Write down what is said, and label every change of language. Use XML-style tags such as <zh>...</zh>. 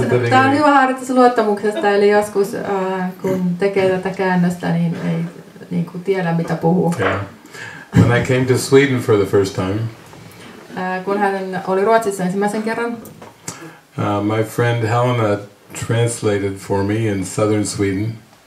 <fi>Tämä on hyvä harjoitus luottamuksesta, eli joskus kun tekee tätä käännöstä, niin ei niin kuin tiedä mitä puhuu.</fi> <en>Yeah. When I came to Sweden for the first time.</en> <fi>kun hän oli Ruotsissa ensimmäisen kerran.</fi> <en>My friend Helena translated for me in southern Sweden.</en>